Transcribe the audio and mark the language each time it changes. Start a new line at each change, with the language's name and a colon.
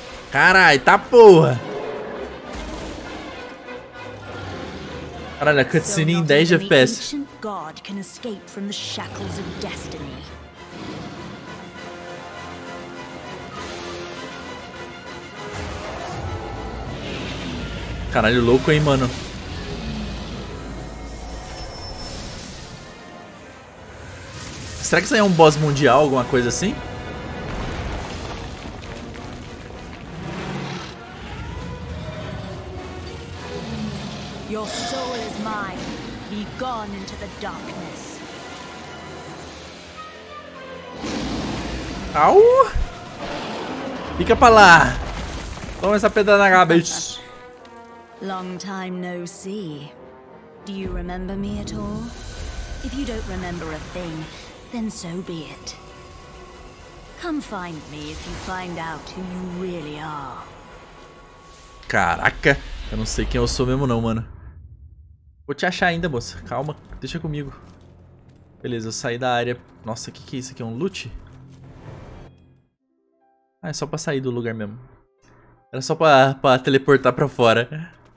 Portuguese: Caralho, tá porra. Caralho, a cutscene em 10 FPS.
English: God can escape from the shackles of destiny.
Portuguese: Caralho, louco, hein, mano. Será que isso aí é um boss mundial, alguma coisa assim?
English: Your soul is mine. Be gone into the darkness.
Portuguese: Au! Fica pra lá. Toma essa pedra na cabeça.
English: Long time no see. Do you remember me at all? If you don't remember a thing, then so be it. Come find me if you find out who you really are.
Portuguese: Caraca, eu não sei quem eu sou mesmo não, mano. Vou te achar ainda, moça. Calma, deixa comigo. Beleza, eu saí da área. Nossa, o que que é isso aqui? É um loot? Ah, é só pra sair do lugar mesmo. Era só pra teleportar pra fora.